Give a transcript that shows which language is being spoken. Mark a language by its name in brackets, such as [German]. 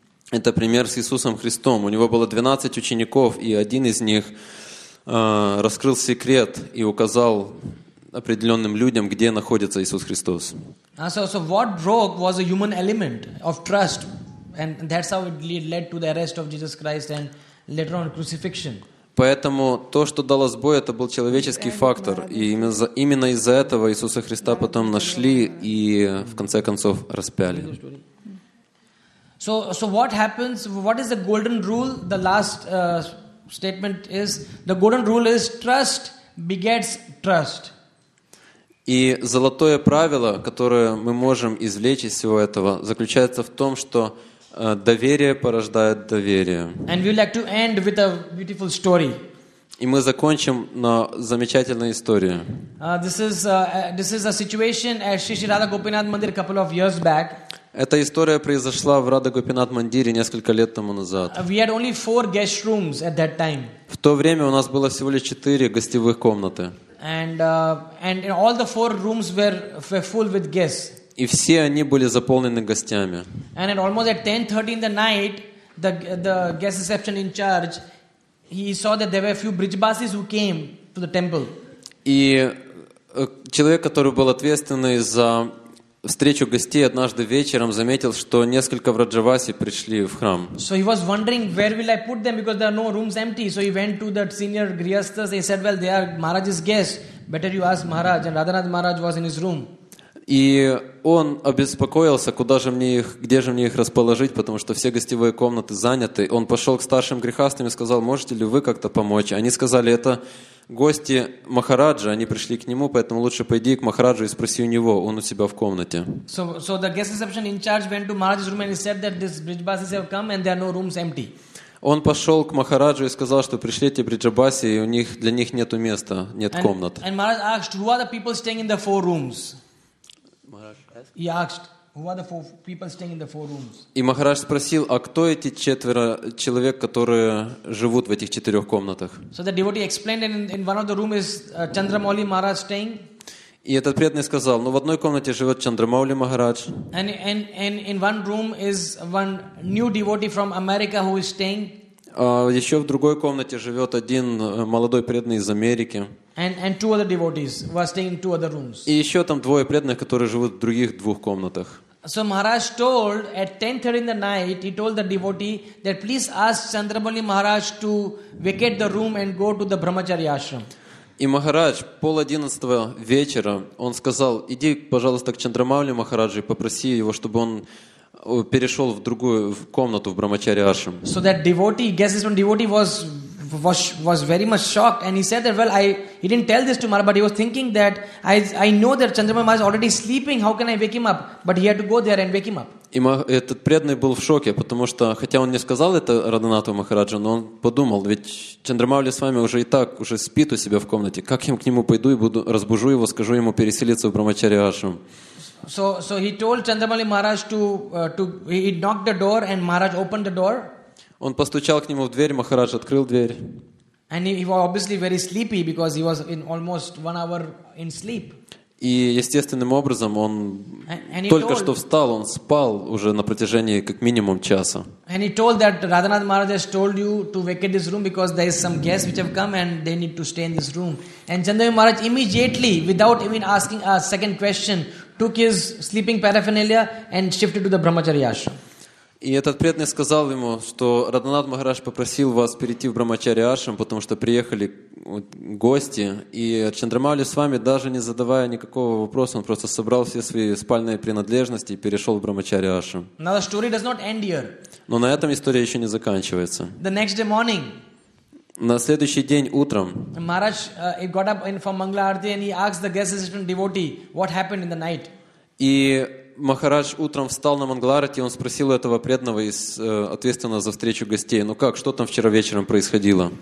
[Russian] Это пример с Иисусом Христом. У него было 12 учеников, и один из них раскрыл секрет и указал определенным людям, где находится Иисус Христос. [English] So what broke was a human element of trust, and that's how it led to the arrest of Jesus Christ and later on crucifixion. [Russian] Поэтому то, что дало сбой, это был человеческий фактор. И именно из-за этого Иисуса Христа потом нашли и в конце концов распяли. [English] So what happens, what is the golden rule? The last statement is, the golden rule is trust begets trust. [Russian] И золотое правило, которое мы можем извлечь из всего этого, заключается в том, что доверие порождает доверие. [English] And we'd like to end with a beautiful story. [Russian] И мы закончим на замечательной истории. [English] This is a situation at Shri Radha Gopinath Mandir a couple of years back. [Russian] Эта история произошла в Радха Гопинат Мандире несколько лет тому назад. [English] We had only 4 guest rooms at that time. [Russian] В то время у нас было всего лишь 4 гостевых комнаты. [English] And all the 4 rooms were full with guests. [Russian] И все они были заполнены гостями. [English] And at almost at 10:30 in the night, the guest reception in charge, he saw that there were a few Brijbasis who came to the temple. [Russian] И человек, который был ответственный за встречу гостей, однажды вечером заметил, что несколько враджаваси пришли в храм. [English] So he was wondering where will I put them because there are no rooms empty. So he went to the senior grihasthas. They said, well, they are Maharaj's guests. Better you ask Maharaj. And Radhanath Maharaj was in his room. [Russian] И он обеспокоился, куда же мне их, где же мне их расположить, потому что все гостевые комнаты заняты. Он пошел к старшим грихастам и сказал, можете ли вы как-то помочь? Они сказали, это гости Махараджа, они пришли к нему, поэтому лучше пойди к Махараджу и спроси у него, он у себя в комнате. [English] So the guest reception in charge went to Maharaj's room and he said that these Brijbasis have come and there are no rooms empty. [Russian] Он пошел к Махараджу и сказал, что пришли эти Бриджабаси, и у них, для них нету места, нет комнат. [English] And Maharaj asked, who are the people staying in the four rooms? He asked, who are the four people staying in the four rooms? [Russian] И Махарадж спросил, а кто эти четверо человек, которые живут в этих четырех комнатах? [English] So the devotee explained, in one of the rooms is Chandramouli Maharaj staying. [Russian] И этот преданный сказал, ну в одной комнате живет Чандрамаули Махарадж. [English] And in one room is one new devotee from America who is staying. [Russian] Еще в другой комнате живет один молодой преданный из Америки. [English] And two other devotees were staying in two other rooms. [Russian] И еще там двое преданных, которые живут в других двух комнатах. [English] So Maharaj told at 10:30 in the night, he told the devotee that please ask Chandramouli Maharaj to vacate the room and go to the Brahmacharya ashram. [Russian] И Махарадж 10:30 вечера он сказал, иди, пожалуйста, к Чандрамауле Махараджу и попроси его, чтобы он перешел в другую в комнату в Брахмачари Ашрам. [English] So that devotee, guess this one, devotee was very much shocked and he said that, well, he didn't tell this to Maharaj, but he was thinking that I know that Chandramouli Maharaj is already sleeping, how can I wake him up? But he had to go there and wake him up. [Russian] И этот преданный был в шоке, потому что, хотя он не сказал это Радханату Махараджу, но он подумал, ведь Чандрамаули с вами уже и так, уже спит у себя в комнате. Как я к нему пойду и буду, разбужу его, скажу ему переселиться в Брахмачари Ашрам? [English] So he told Chandramouli Maharaj to he knocked the door and Maharaj opened the door. [Russian] Он постучал к нему в дверь, Махарадж открыл дверь. [English] And he was obviously very sleepy because he was in almost 1 hour in sleep. [Russian] И естественным образом он только что встал, он спал уже на протяжении как минимум часа. [English] And he told that Radhanath Maharaj has told you to vacate this room because there is some guests which have come and they need to stay in this room. And Chandramouli Maharaj immediately, without even asking a second question, took his sleeping paraphernalia and shifted to the Brahmacharya ashram. [Russian] И этот преданный сказал ему, что Радханат Махарадж попросил вас перейти в Брахмачари Ашрам, потому что приехали гости, и Чандрамаули с вами, даже не задавая никакого вопроса, он просто собрал все свои спальные принадлежности и перешел в Брахмачари Ашрам. [English] Now the story does not end here. [Russian] Но на этом история еще не заканчивается. [English] The next day morning, [Russian] на следующий день утром [English] Maharaj got up from Mangala Arati and he asked the guest assistant devotee what happened in the night. [Russian] И Махарадж утром встал на Мангларати, он спросил у этого преданного, ответственного за встречу гостей, ну как, что там вчера вечером происходило?